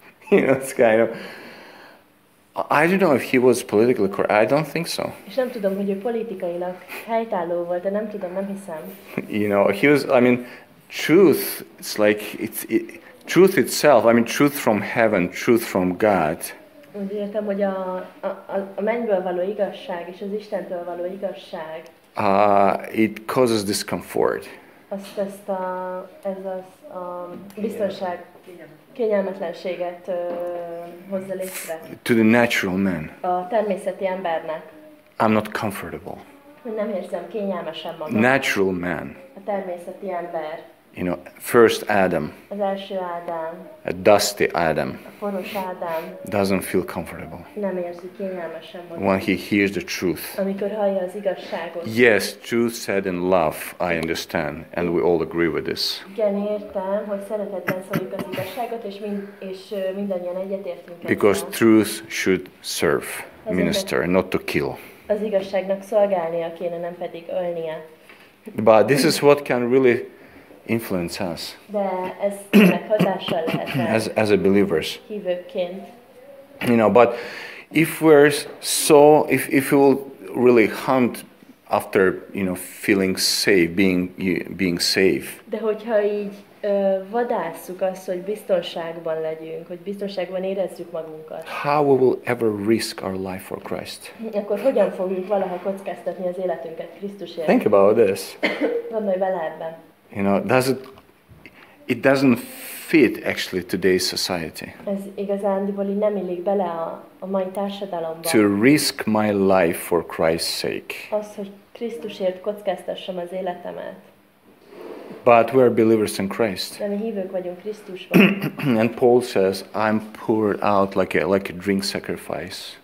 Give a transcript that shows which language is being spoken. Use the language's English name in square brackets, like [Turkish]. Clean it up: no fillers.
[English] You know, it's kind of, I don't know if he was politically correct. I don't think so. [Hungarian] És nem tudom, hogy ő politikailag helytálló volt, de nem tudom, nem hiszem. [English] You know, he was, I mean, truth, it's like, truth itself, I mean, truth from heaven, truth from God. [Hungarian] Úgy értem, hogy a mennyből való igazság és az Istentől való igazság. [English] It causes discomfort. [Hungarian] Azt ezt a, ez az a biztonság kényelmetlenséget hozza létre. [English] To the natural man. [Hungarian] A természeti embernek. [English] I'm not comfortable. [Hungarian] Nem érzem kényelmesen magam. [English] Natural man. [Hungarian] A természeti ember. [English] You know, first Adam. [Hungarian] Az első Ádám. [English] A dusty Adam. [Hungarian] A poros Ádám. [English] Doesn't feel comfortable. [Hungarian] Nem érzi kényelmesen magát. [English] When he hears the truth. [Hungarian] Amikor hallja az igazságot. [English] Yes, truth said in love, I understand, and we all agree with this. [Hungarian] Igen, értem, hogy szeretetben szóljuk az igazságot, és mindannyian egyetértünk. [English] Because truth should serve, minister, and not to kill. [Hungarian] Az igazságnak szolgálnia kéne, nem pedig ölnie. [English] But this is what can really influence us. [Hungarian] De ez ennek hatással lehet. [English] As a believers. [Hungarian] Hívőként. [English] You know, but if we will really hunt after, you know, feeling safe, being safe. [Hungarian] De hogyha így vadásszuk azt, hogy biztonságban legyünk, hogy biztonságban érezzük magunkat. [English] How we will ever risk our life for Christ? [Hungarian] Akkor hogyan fogjuk valaha kockáztatni az életünket Krisztusért? [English] Think about this. [Hungarian] Gondolj bele ebben. [English] You know, does it doesn't fit actually today's society. [Hungarian] Ez igazándiból nem illik bele a mai társadalomba. [English] To risk my life for Christ's sake. [Hungarian] Az, hogy Krisztusért kockáztassam az életemet. [English] But we are believers in Christ. [Hungarian] De mi hívők vagyunk Krisztusban. [English] And Paul says, I'm poured out like a drink sacrifice.